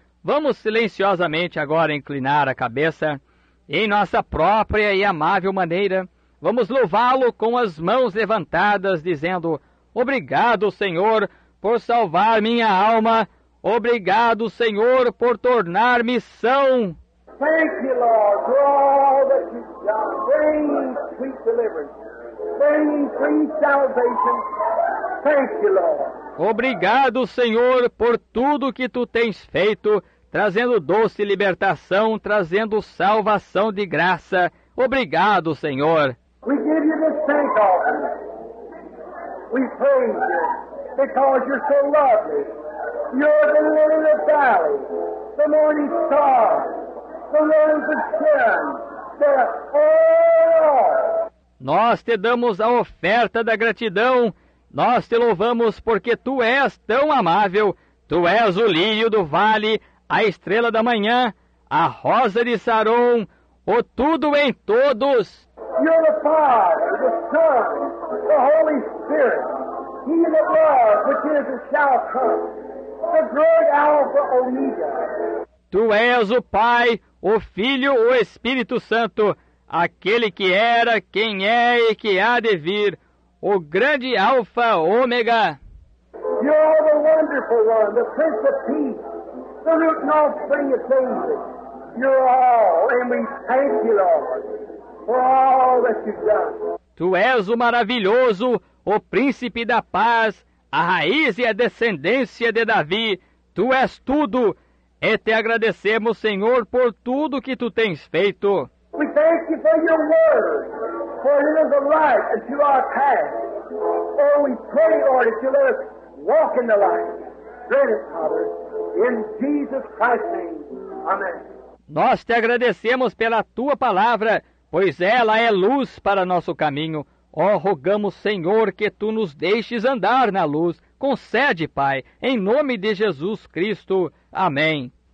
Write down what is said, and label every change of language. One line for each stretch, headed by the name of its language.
Portuguese: Vamos silenciosamente agora inclinar a cabeça em nossa própria e amável maneira. Vamos louvá-lo com as mãos levantadas, dizendo: obrigado, Senhor, por salvar minha alma. Obrigado, Senhor, por tornar-me são.
English: Thank you, Lord, for all that you've done. Bring sweet deliverance. Bring free salvation. Thank you, Lord.
Portuguese: Obrigado, Senhor, por tudo que Tu tens feito, trazendo doce libertação, trazendo salvação de graça. Obrigado, Senhor.
English: We give you this thank offering. We praise you because you're so lovely. You're the lily of the valley, the morning star, the lily of the sun, the all.
Portuguese: Nós te damos a oferta da gratidão. Nós te louvamos porque Tu és tão amável. Tu és o lírio do vale, a estrela da manhã, a rosa de Saron, o tudo em todos.
English: You're the Father, the Son, the Holy Spirit. He that was, which is, and shall come. The great Alpha Omega.
Portuguese: Tu és o Pai, o Filho, o Espírito Santo, aquele que era, quem é e que há de vir, o grande Alfa Ômega.
English: You're the wonderful one, the Prince of Peace, the root and offspring of David. You're all, and we thank you, Lord, for all that you've done.
Portuguese: Tu és o maravilhoso, o Príncipe da Paz, a raiz e a descendência de Davi. Tu és tudo. E te agradecemos, Senhor, por tudo que tu tens feito.
English: We thank you for your word, for it is a light unto our path. Oh, we pray, Lord, that you let us walk in the light. Grant it, Father, in Jesus Christ's name. Amen.
Portuguese: Nós te agradecemos pela tua palavra, pois ela é luz para nosso caminho. Oh, rogamos, Senhor, que tu nos deixes andar na luz. Concede, Pai, em nome de Jesus Cristo. Amém.